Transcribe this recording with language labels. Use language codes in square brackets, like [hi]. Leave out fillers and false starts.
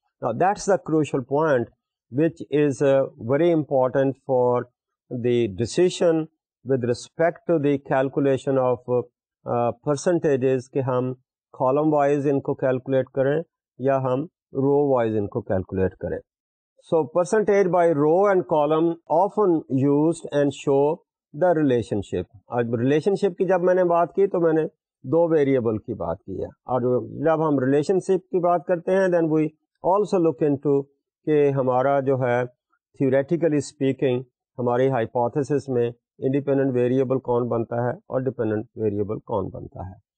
[en] now that's the crucial point which is very important for the decision with respect to the calculation of percentages, [ur] کہ ہم column wise ان کو calculate کریں [en] یا ہم row wise ان کو calculate کریں. So percentage by row and column often used and show the relationship. [ur] اب relationship کی جب میں نے بات کی تو میں نے دو variable کی بات کی ہے, اور جب ہم relationship کی بات کرتے ہیں [en] then we also look into [ur] کہ ہمارا جو ہے [en] theoretically speaking [ur] ہماری hypothesis میں انڈیپینڈنٹ ویریبل کون بنتا ہے اور ڈپینڈنٹ ویریبل کون بنتا ہے.